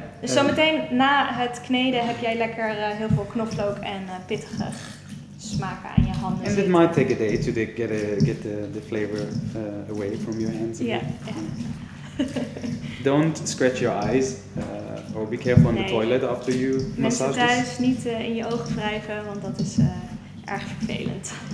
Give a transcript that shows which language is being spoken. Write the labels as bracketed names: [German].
[Dutch] Dus zometeen na het kneden heb jij lekker heel veel knoflook en pittige smaken aan je handen. [English] And it might take a day to get the flavor away from your hands. Yeah. Don't scratch your eyes or be careful on the toilet after you massage. [Dutch] Mensen thuis, niet in je ogen wrijven, want dat is erg vervelend.